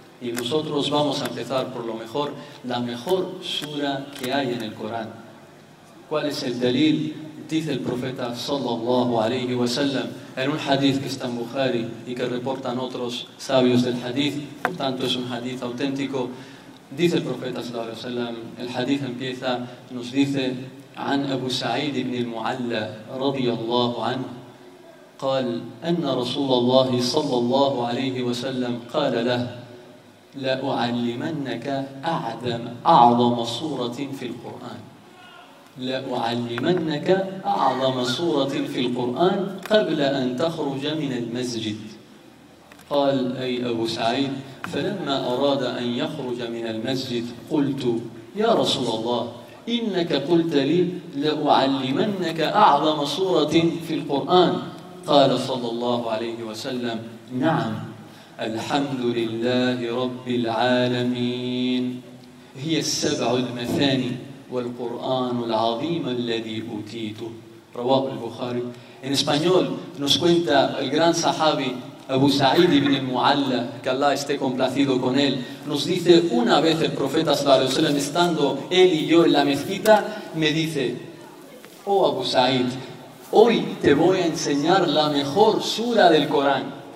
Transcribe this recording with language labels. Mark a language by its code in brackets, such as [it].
[es] Y nosotros vamos a empezar por lo mejor, la mejor sura que hay en el Corán. ¿Cuál es el dalil? Dice el profeta sallallahu alayhi wa sallam en un hadith que está en Bukhari y que reportan otros sabios del hadith, por tanto es un hadith auténtico. Dice el profeta sallallahu alayhi wa sallam, el hadith empieza, nos dice [ar] عن Abu Sa'id ibn al-Mu'alla radiyallahu anhu قال أن رسول الله صلى الله عليه وسلم قال له لأعلمنك أعظم سورة في القرآن لأعلمنك أعظم سورة في القرآن قبل أن تخرج من المسجد قال أي أبو سعيد فلما أراد أن يخرج من المسجد قلت يا رسول الله إنك قلت لي لأعلمنك أعظم سورة في القرآن قال صلى الله عليه وسلم نعم الحمد لله رب العالمين هي السبع المثاني والقرآن العظيم الذي أوتيته رواه البخاري. [es] En español nos cuenta el gran sahabi Abu Sa'id ibn al-Mu'alla, que Allah esté complacido con él, nos dice una vez el profeta sallallahu alaihi wasallam estando él y yo en la mezquita, me dice, oh Abu Sa'id, hoy te voy a enseñar la mejor sura del Corán.